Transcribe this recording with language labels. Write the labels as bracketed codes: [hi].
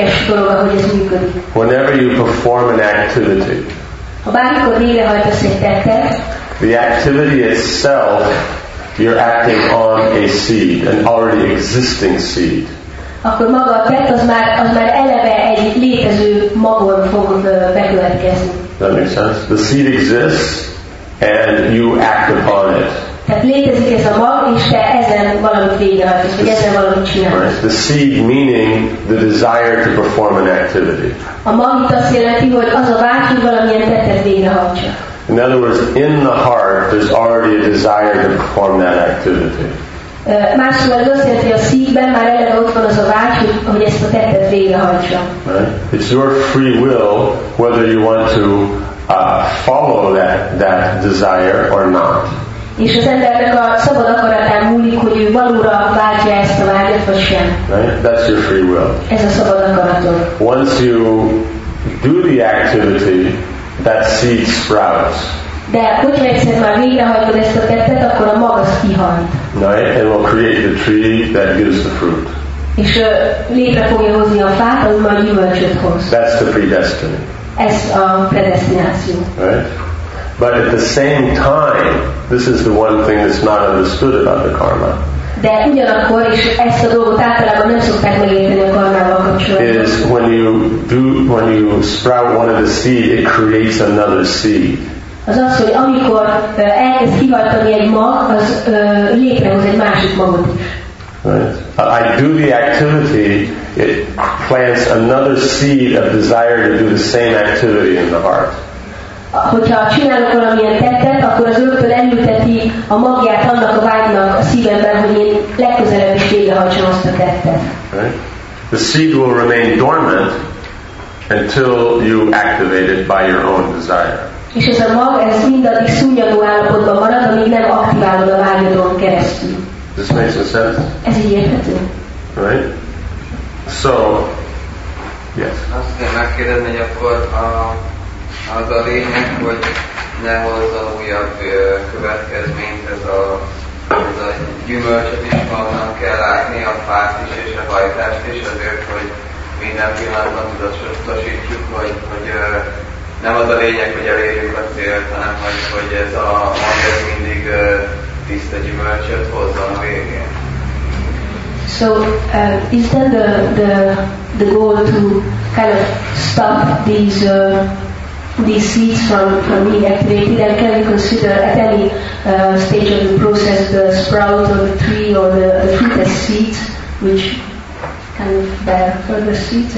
[en] Whenever you perform an activity, the activity itself, you're acting on a seed, an already existing seed. [hu] Akkor maga a tett az már eleve egy létező magon fog bekövetkezni. [en] That makes sense. The seed exists, and you act upon it. [hu] Tehát létezik ez a mag, és te ezen valamit végrehajtasz, vagy ezen valamit csinálsz. [en] Right. The seed meaning the desire to perform an activity. [hu] A mag itt azt jelenti, hogy az a vágy, hogy valamilyen tettet végrehajtsa. [en] In other words, in the heart, there's already a desire to perform that activity. [hu] Más szóval azt jelenti, hogy a szívben már eleve ott van az a vágy, hogy ezt a tettet végrehajtsa. [en] Right. It's your free will, whether you want to follow that desire or not. [hu] És az embernek a szabad akaratán múlik, hogy ő valóra váltja ezt a vágyat, vagy sem. [en] Right? That's your free will. [hu] Ez a szabad akaraton. [en] Once you do the activity, that seed sprouts. [hu] De hogyha egyszer már végrehajtod ezt a tettet, akkor a mag az kihalt. [en] Right? And will create the tree that gives the fruit. [hu] És létre fogja hozni a fát, az majd gyümölcsöt hoz. [en] That's the predestiny. [hu] Ez a predestináció. [en] Right? But at the same time, this is the one thing that's not understood about the karma. [hu] De ugyanakkor is ezt a dolgot általában nem szokták megérteni a karmával kapcsolatban. [en] Is when you sprout one of the seed, it creates another seed. [hu] Az, hogy amikor elkezd kihajtani egy mag, az létrehoz egy másik magot is. [en] Right. I do the activity, it plants another seed of desire to do the same activity in the heart. [hu] Hogyha csinálok valamilyen tettet, akkor az rögtön elülteti a magját annak a vágynak a szívemben, hogy én legközelebb is végrehajtsam azt a tettet. [en] Right. The seed will remain dormant until you activate it by your own desire. [hu] És ez a mag, ez mindaddig szúnyadó állapotban marad, amíg nem aktiválod a vágyadon keresztül. [en] This makes sense? [hu] Ez így érthető. [en] Right? So, Yes. [hu] Azt kell megkérdezni, hogy akkor az a lényeg, hogy ne hozza újabb következményt ez a gyümölcsöt is magam kell látni, a fát is és a hajtást is, azért, hogy minden pillanatban tudatosítjuk, hogy nem az a lényeg, hogy elérjük a célt, hanem hogy ez a mandat mindig tiszta gyümölcsöt hozza a végén. [en] So is that the goal to kind of stop these seeds from being activated? And can we consider at any stage of the process the sprout of the tree or the fruit as seeds, which kind of bear further seeds?